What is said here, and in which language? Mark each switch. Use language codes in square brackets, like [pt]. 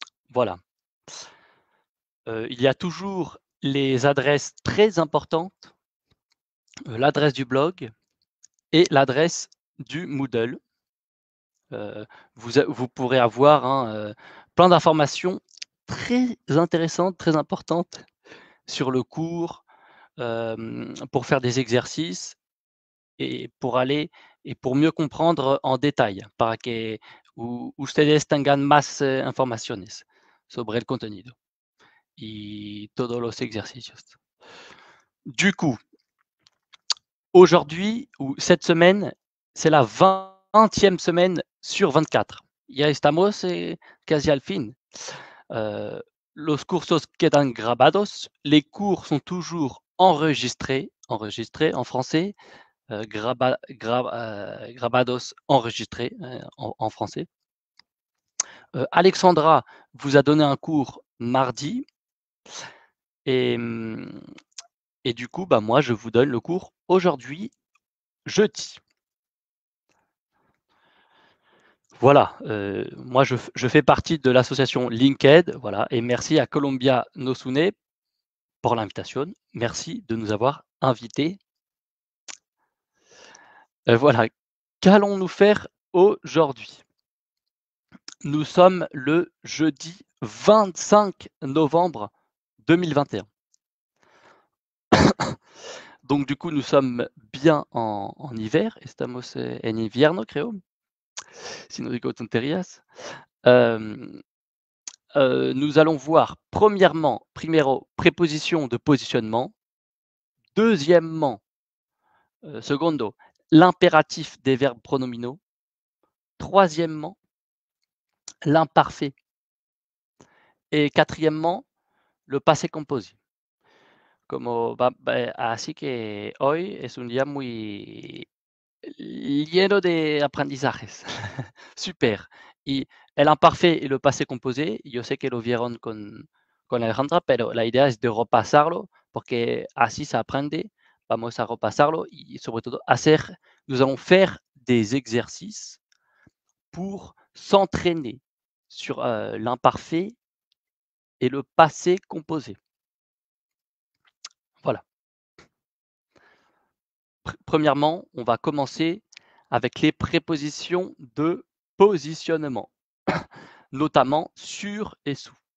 [fr] Voilà. Il y a toujours les adresses très importantes, l'adresse du blog et l'adresse du Moodle. Vous pourrez avoir plein d'informations très intéressantes, très importantes sur le cours pour faire des exercices et pour aller. Et pour mieux comprendre en détail, [es] para que ustedes tengan más informaciones sobre el contenido y todos los ejercicios. [fr] Du coup, aujourd'hui ou cette semaine, c'est la 20e semaine sur 24. [es] Ya estamos casi al fin. Los cursos quedan grabados. [fr] Les cours sont toujours enregistrés en français. Grabados enregistrés en français. Alexandra vous a donné un cours mardi et du coup, bah, moi, je vous donne le cours aujourd'hui, jeudi. Voilà, moi, je fais partie de l'association LinkAid, voilà, et merci à Columbia Nosune pour l'invitation. Merci de nous avoir invités. Voilà, qu'allons-nous faire aujourd'hui? Nous sommes le jeudi 25 Donc, du coup, nous sommes bien en hiver. [es] Estamos en invierno, creo. Si no digo tonterías. [fr] Nous allons voir, premièrement, préposition de positionnement. Deuxièmement, secondo, l'impératif des verbes pronominaux. Troisièmement, l'imparfait. Et quatrièmement, le passé composé. [es] Como va, así que hoy es un día muy lleno de aprendizajes. Super. Y el imparfait y el passé composé, yo sé que lo vieron con Alejandra, pero la idea es de repasarlo porque así se aprende. Vamos a repasarlo y sobre todo hacer. [fr] Nous allons faire des exercices pour s'entraîner sur l'imparfait et le passé composé. Voilà. Premièrement, on va commencer avec les prépositions de positionnement, notamment sur et sous.